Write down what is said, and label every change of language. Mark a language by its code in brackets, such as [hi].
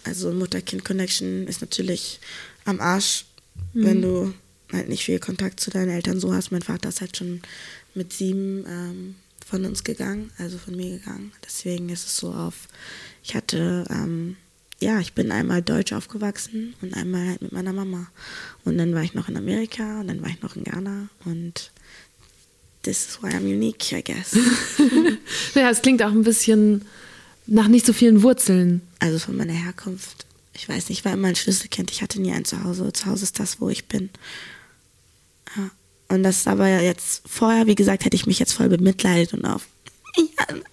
[de] Also Mutter-Kind-Connection ist natürlich am Arsch, wenn du halt nicht viel Kontakt zu deinen Eltern so hast. Mein Vater ist halt schon mit 7 von uns gegangen, also von mir gegangen. Deswegen ist es so auf... Ich hatte, ich bin einmal deutsch aufgewachsen und einmal halt mit meiner Mama. Und dann war ich noch in Amerika und dann war ich noch in Ghana. [en] Und this is why I'm unique, I guess. [de] Ja, es klingt auch ein bisschen nach nicht so vielen Wurzeln. Also von meiner Herkunft. Ich weiß nicht, ich war immer ein Schlüsselkind. Ich hatte nie ein Zuhause. Zuhause ist das, wo ich bin. Ja. Und das ist aber jetzt vorher, wie gesagt, hätte ich mich jetzt voll bemitleidet und auf... Ja.